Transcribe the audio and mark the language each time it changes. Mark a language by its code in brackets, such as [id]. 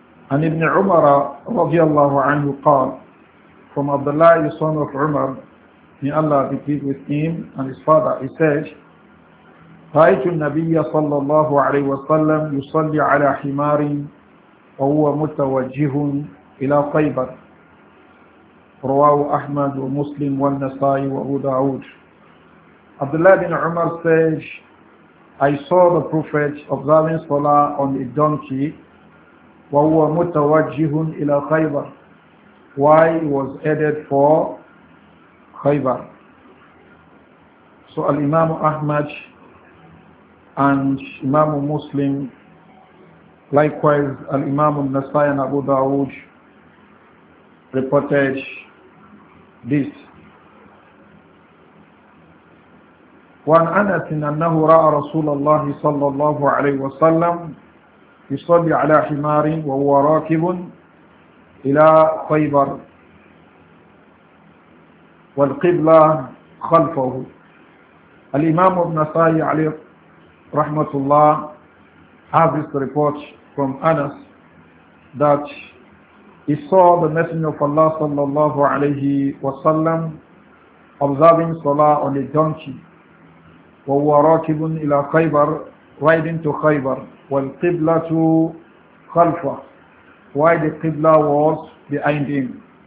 [en] And Ibn Umar radiallahu anhu قال, from Abdullah, the son of Umar, may Allah be pleased with him and his father, he said, [ar] رأيت النبي صلى الله عليه وسلم يصلي على حمار وهو متوجه إلى خيبر. رواه أحمد ومسلم والنسائي وأبو داود. [en] Abdullah ibn Umar says, I saw the Prophet observing Salah on a donkey, [ar] وَهُوَ مُتَوَجِّهٌ إِلَى خَيْبَرٍ, [en] why he was headed for Khaybar. So Al-Imam Ahmad and Imam Muslim, likewise Al-Imam Nasai and Abu Dawood, reported this. [ar] وعن أنس أنه رأى رسول الله صلى الله عليه وسلم يصلي على حمار وهو راكب إلى خيبر والقبلة خلفه. الإمام ابن ساي عليه رحمة الله [en] have this report from Anas that he saw the Messenger of Allah [ar] صلى الله عليه وسلم [en] observing Salah on a donkey. [ar] وهو راكب إلى خيبر, [en] riding to [ar] خيبر, والقبلة خلفه, [en] why the [ar] قبلة [en] was behind him.